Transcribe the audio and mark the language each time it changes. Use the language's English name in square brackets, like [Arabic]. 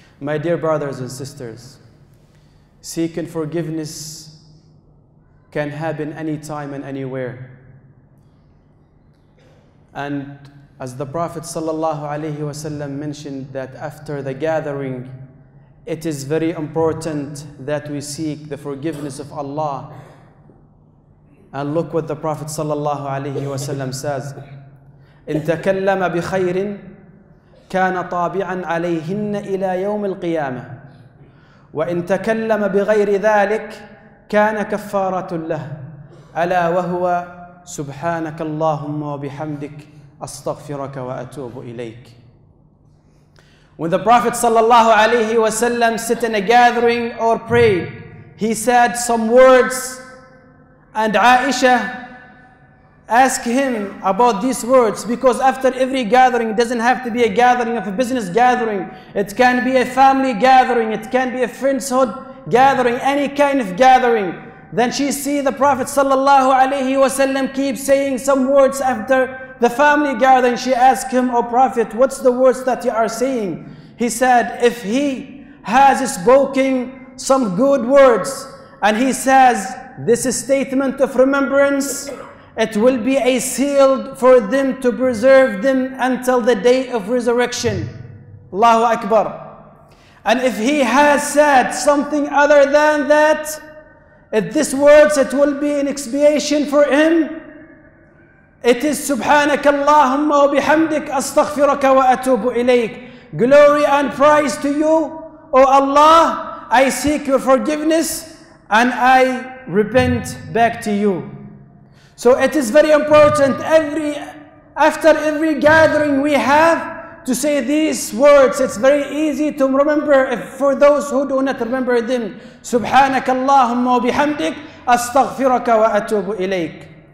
[English] My dear brothers and sisters, seeking forgiveness can happen anytime and anywhere. And as the Prophet sallallahu alaihi wasallam mentioned that after the gathering, it is very important that we seek the forgiveness of Allah. And look what the Prophet sallallahu alaihi wasallam says: [Arabic] "إن تكلم بخير كان طابعا عليهن إلى يوم القيامة وإن تكلم بغير ذلك كان كفارة له ألا وهو سبحانك اللهم وبحمدك أستغفرك وأتوب إليك." [English] When the Prophet sallallahu alaihi wasallam sit in a gathering or prayed, he said some words, and Aisha asked him about these words, because after every gathering, it doesn't have to be a gathering of a business gathering, it can be a family gathering, it can be a friendshood gathering, any kind of gathering. Then she see the Prophet sallallahu alaihi wasallam keep saying some words after the family gathering. She asked him, "O Prophet, what's the words that you are saying?" He said, "If he has spoken some good words and he says this statement of remembrance, it will be a seal for them to preserve them until the day of resurrection." Allahu Akbar. "And if he has said something other than that, if this words, it will be an expiation for him. It is [Arabic] سبحانك اللهم وبحمدك أستغفرك وأتوب إليك." [English] Glory and praise to you, O Allah, I seek your forgiveness and I repent back to you. So it is very important after every gathering we have to say these words. It's very easy to remember for those who do not remember them. [Arabic] سبحانك اللهم وبحمدك أستغفرك وأتوب إليك.